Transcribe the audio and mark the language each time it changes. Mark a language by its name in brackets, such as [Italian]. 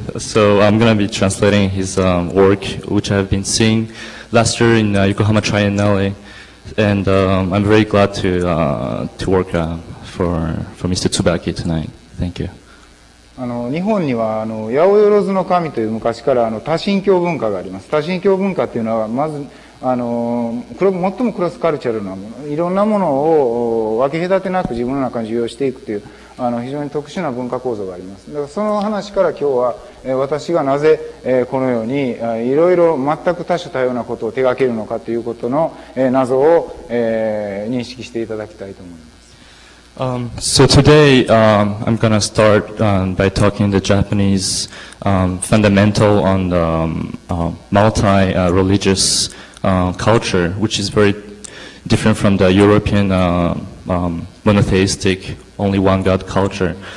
[English] So, I'm going to be translating his work, which I've been seeing last year in Yokohama Triennale. And I'm very glad to work for Mr. Tsubaki tonight. Thank you. [Japanese] 日本には八百万の神という昔から多神教文化があります。多神教文化というのはまず最もクロスカルチャルなもの、いろんなものを分け隔てなく自分の中に受容していくという非常に特殊な文化構造があります。だからその話から今日は私がなぜこのようにいろいろ全く多種多様なことを手掛けるのかということの謎を認識していただきたいと思います。 [English] So today I'm going to start by talking the Japanese fundamental on the multi-religious culture, which is very different from the European monotheistic, only one God culture.